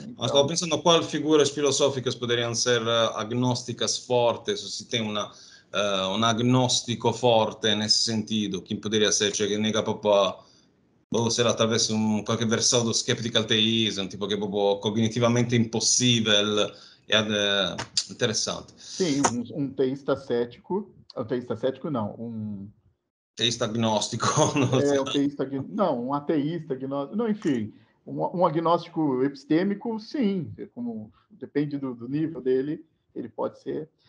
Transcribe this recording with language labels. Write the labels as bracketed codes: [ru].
[pt] Então, estava pensando qual figuras filosóficas poderiam ser agnósticas fortes, se tem uma [it] un agnostico forte nel senso, chi potrebbe essere, cioè che nega proprio, boh, se attraverso un qualche verso do skeptical theism, tipo che proprio cognitivamente impossibile, e interessante. Sì, un teista scettico, un teista scettico no, un... [pt] Teista agnóstico. Não, um ateísta agnóstico. Não, enfim, um agnóstico epistêmico, sim. Como, depende do nível dele, ele pode ser.